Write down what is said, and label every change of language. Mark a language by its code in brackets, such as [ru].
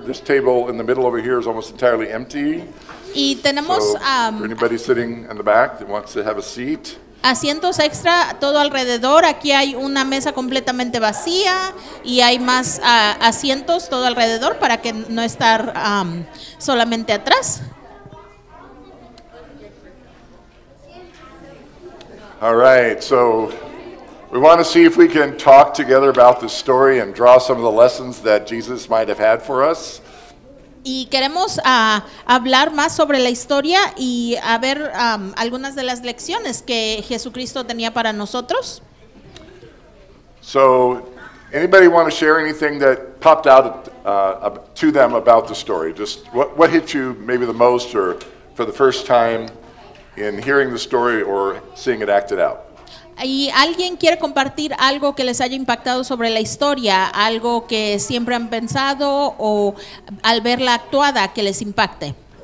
[en] This table in the middle over here is almost entirely empty. [es] Y tenemos, [en] so for anybody sitting in the back that wants to have a seat. [es] Asientos extra todo alrededor. Aquí hay una mesa completamente vacía y hay más asientos todo alrededor para que no estar solamente atrás. [en] All right, so we want to see if we can talk together about the story and draw some of the lessons that Jesus might have had for us. [es] Y queremos hablar más sobre la historia y a ver algunas de las lecciones que Jesucristo tenía para nosotros. [en] So, anybody want to share anything that popped out to them about the story? Just what hit you maybe the most or for the first time in hearing the story or seeing it acted out? [es] ¿Y alguien quiere compartir algo que les haya impactado sobre la historia? ¿Algo que siempre han pensado o al verla actuada que les impacte?